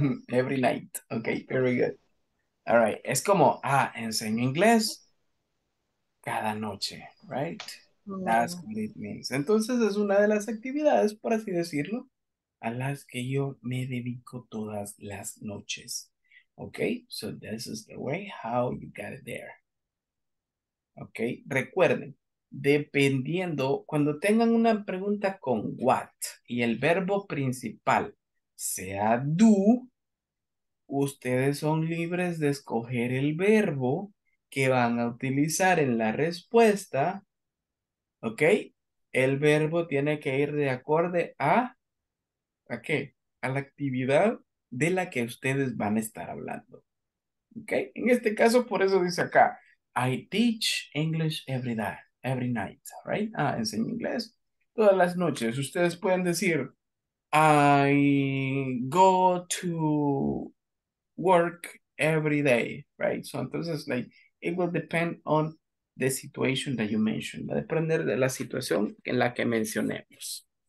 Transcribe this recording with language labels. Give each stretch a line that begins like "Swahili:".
English: Every night. Okay, very good. All right.
Spanish: Es como, enseño inglés cada noche,
English: right? That's what it means.
Spanish: Entonces, es una de las actividades, por así decirlo, a las que yo me dedico todas las noches.
English: Okay? So, this is the way how you got it there.
Spanish: Okay? Recuerden, dependiendo, cuando tengan una pregunta con what y el verbo principal sea do, ustedes son libres de escoger el verbo que van a utilizar en la respuesta, ¿ok? El verbo tiene que ir de acorde ¿a qué? A la actividad de la que ustedes van a estar hablando, ¿ok? En este caso, por eso dice acá,
English: I teach English every night, right?
Spanish: Enseño inglés todas las noches. Ustedes pueden decir,
English: I go to work every day, right? So, entonces, it will depend on the situation that you mentioned.
Spanish: Va a depender de la situación en la que mencionemos.